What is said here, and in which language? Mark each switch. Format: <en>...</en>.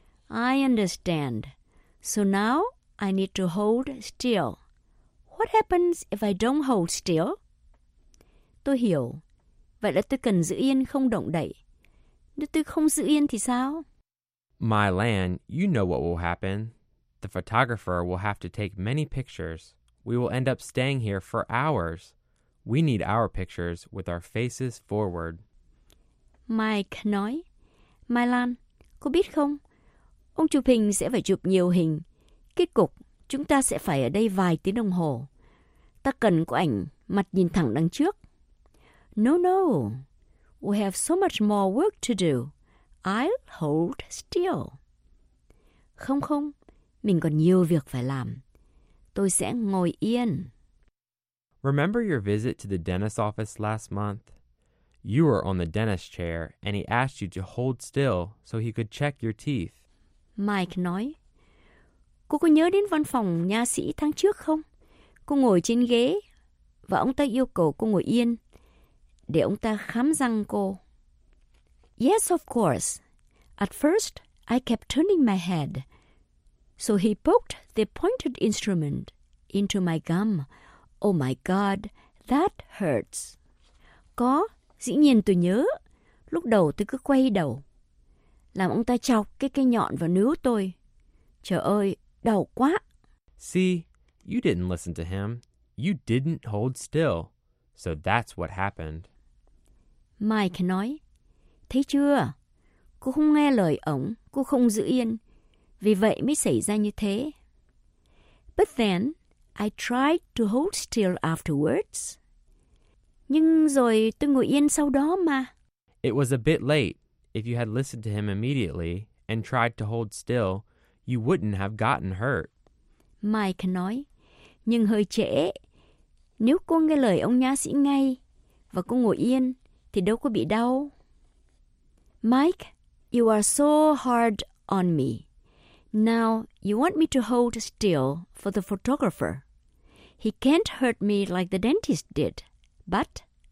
<en>I understand. So now I need to hold still. What happens if I don't hold still?</en> <vi>Tôi hiểu. Vậy là tôi cần giữ yên không động đậy. Nếu tôi không giữ yên thì sao?</vi> <en>Mylan, you know what will happen. The photographer will have to take many pictures. We will end up staying here for hours. We need our pictures with our faces forward.</en> <vi>Mike nói, Mylan, cô biết không? Ông chụp hình sẽ phải chụp nhiều hình. Kết cục, chúng ta sẽ phải ở đây vài tiếng đồng hồ. Ta cần có ảnh mặt nhìn thẳng đằng trước.</vi> <en>No, no. We have so much more work to do. I'll hold still.</en> <vi>Không, không. Mình còn nhiều việc phải làm. Tôi sẽ ngồi yên.</vi> <en>Remember your visit to the dentist's office last month? You were on the dentist chair and he asked you to hold still so he could check your teeth.</en> <vi>Mike nói, cô có nhớ đến văn phòng nha sĩ tháng trước không? Cô ngồi trên ghế và ông ta yêu cầu cô ngồi yên để ông ta khám răng cô.</vi> <en>Yes, of course. At first, I kept turning my head. So he poked the pointed instrument into my gum. Oh my God, that hurts.</en> <vi>Có, dĩ nhiên tôi nhớ. Lúc đầu tôi cứ quay đầu. Làm ông ta chọc cái cây nhọn vào níu tôi. Trời ơi, đau quá.</vi> <en>See, you didn't listen to him. You didn't hold still. So that's what happened.</en> <vi>Mike nói, thấy chưa? Cô không nghe lời ổng, cô không giữ yên. Vì vậy mới xảy ra như thế.</vi> <en>But then, I tried to hold still afterwards.</en> <vi>Nhưng rồi tôi ngồi yên sau đó mà.</vi> <en>It was a bit late. If you had listened to him immediately and tried to hold still, you wouldn't have gotten hurt.</en> <vi>Mike nói, nhưng hơi trễ. Nếu cô nghe lời ông nha sĩ ngay và cô ngồi yên, thì đâu có bị đau.</vi> <en>Mike, you are so hard on me. Now, you want me to hold still for the photographer. He can't hurt me like the dentist did, but...</en>